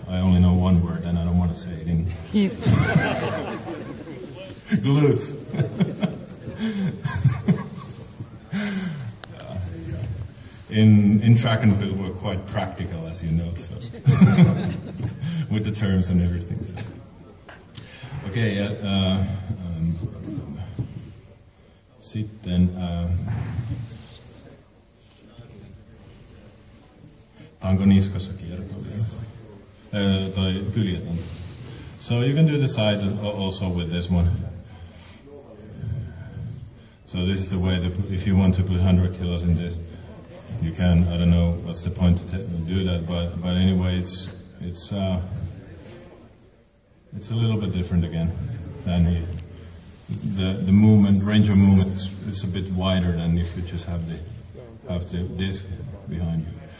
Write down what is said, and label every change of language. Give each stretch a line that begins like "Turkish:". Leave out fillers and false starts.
English: I only know one word and I don't want to say it in glutes. In track and field, we're quite practical, as you know, so with the terms and everything. So.
Finnish: Okay, sitten tanko niskassa kierto vielä, tai kyljetan.
English: So you can do the side also with this one. So this is the way to put, if you want to put 100 kilos in this. You can, I don't know what's the point to do that, but anyway, it's a little bit different again than the movement, range of movement is a bit wider than if you just have the disc behind you.